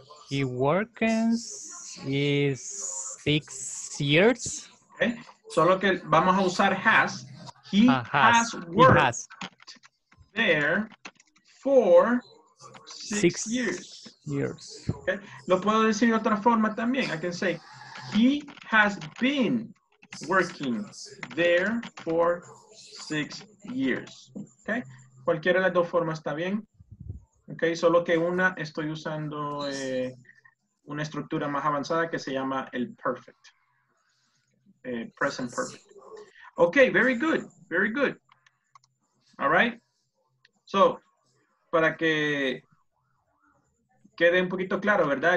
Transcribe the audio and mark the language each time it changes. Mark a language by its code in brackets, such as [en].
[en] He works is 6 years. [es] Okay, solo que vamos a usar has. [en] He has worked he has. There for six years. Years. [es] Okay, lo puedo decir de otra forma también. [en] I can say he has been working there for 6 years. [es] Okay. Cualquiera de las dos formas está bien. Okay. Solo que una estoy usando una estructura más avanzada que se llama el perfect. [en] Present perfect. Okay. Very good. Very good. All right. [es] So, para que quede un poquito claro, ¿verdad?